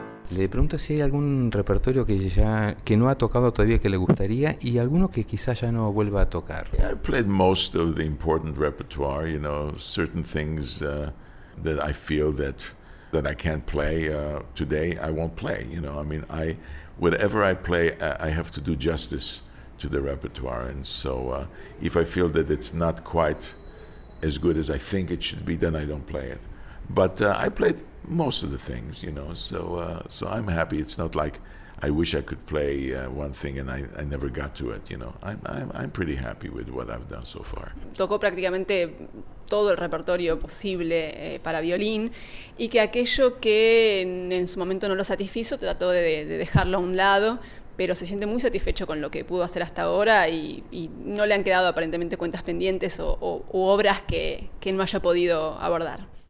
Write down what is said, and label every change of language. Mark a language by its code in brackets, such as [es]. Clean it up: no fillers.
[es] Le pregunto si hay algún repertorio que no ha tocado todavía que le gustaría y alguno que quizás ya no vuelva a tocar. [en] I played most of the important repertoire, you know, certain things that I feel that I can't play today, I won't play, you know. I mean, whatever I play, I have to do justice to the repertoire, and so if I feel that it's not quite as good as I think it should be, then I don't play it. But I played most of the things, you know, so I'm happy. It's not like I wish I could play one thing and I never got to it, you know. I'm pretty happy with what I've done so far. [es] Tocó prácticamente todo el repertorio posible para violín, y que aquello que en su momento no lo satisfizo trató de dejarlo a un lado, pero se siente muy satisfecho con lo que pudo hacer hasta ahora y no le han quedado aparentemente cuentas pendientes o obras que no haya podido abordar.